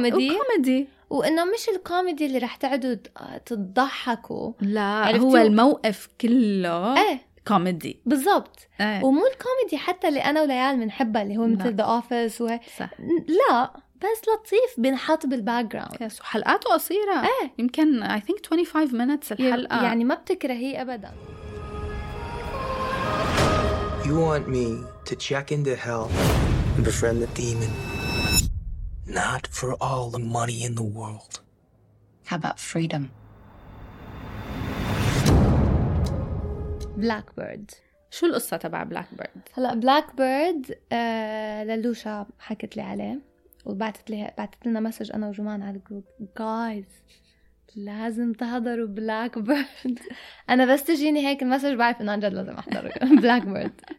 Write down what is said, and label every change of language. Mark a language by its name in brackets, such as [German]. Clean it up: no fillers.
[Arabic] وكوميدي وانه مش الكوميدي اللي رح تقعدوا تضحكوا لا هو الموقف كله كوميدي بالضبط أيه. ومو الكوميدي حتى اللي انا وليال بنحبها اللي هو مثل The Office وهي صح. لا بس لطيف بنحط بالباك جراوند يس وحلقاته قصيره أيه. [English] يمكن I think 25 minutes الحلقه [Arabic] يعني ما بتكرهيه ابدا [English] You want me to check into hell and befriend the demon not for all the money in the world How about freedom Blackbird. [Arabic] شو القصة تبع Blackbird؟ هلا Blackbird للوشا حكت لي عليه وبعتت لنا مسج أنا وجمان على الجروب guys لازم تحضروا Blackbird. أنا بس تجيني هيك المسج بعرف إن عن جد لازم أحضر Blackbird.